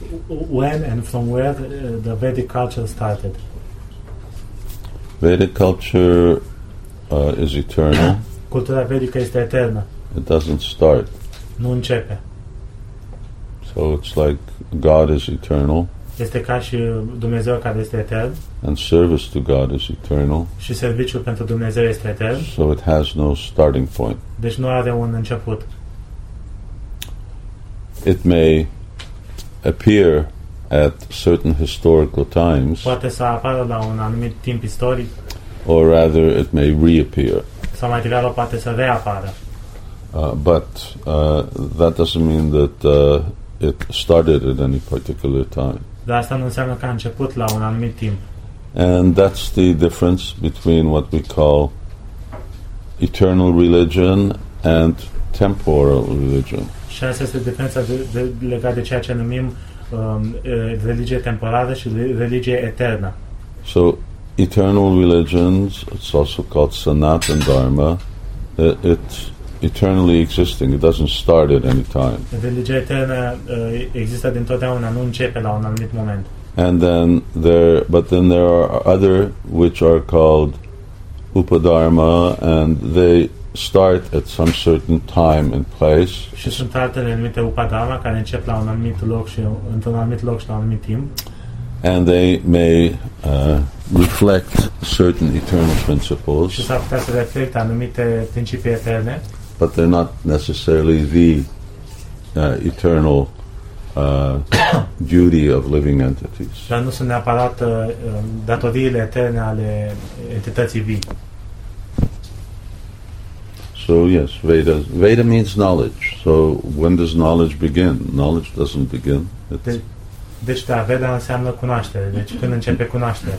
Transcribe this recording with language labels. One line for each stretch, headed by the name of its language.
English: When and from where the Vedic culture started? Vedic culture is eternal.
Romanian: Cultura vedică este eternă.
English: It doesn't start.
Romanian: Nu începe.
English: So So it's like God is eternal.
Romanian: Este ca și Dumnezeu care este etern.
English: And service to God is eternal.
Romanian: Și serviciul pentru Dumnezeu este etern.
English: So it has no starting point.
Romanian: Deci nu are un început.
English: It may appear at certain historical times.
Romanian: Poate să apară la un anumit timp istoric.
English: Or rather, it may reappear.
Romanian: Sau mai degrabă poate să reapară.
English: That doesn't mean that it started at any particular time.
Romanian: Dar asta nu înseamnă că a început la un anumit timp.
English: And that's the difference between what we call eternal religion and temporal religion.
Romanian: Și asta este diferența legată de ceea ce numim religie temporală și religie eternă.
English: So, eternal religions, it's also called Sanatana Dharma, it's eternally existing, it doesn't start at any time.
Romanian: Religia eterna există dintotdeauna, nu începe la un anumit moment.
English: And then there are other which are called Upadharma, and they start at some certain time and place.
Romanian: Și sunt altele anumite Upadharma care încep la un anumit loc și într-un anumit loc și la un anumit timp.
English: And they may reflect certain eternal principles.
Romanian: Și s-ar putea să reflecte anumite principii eterne.
English: But they're not necessarily the eternal duty of living entities.
Romanian: Dar nu sunt neapărat datoriile eterne ale entității vii.
English: So yes, Veda means knowledge. So when does knowledge begin? Knowledge doesn't begin.
Romanian: Deci da, Veda înseamnă cunoaștere. Deci când începe cunoașterea?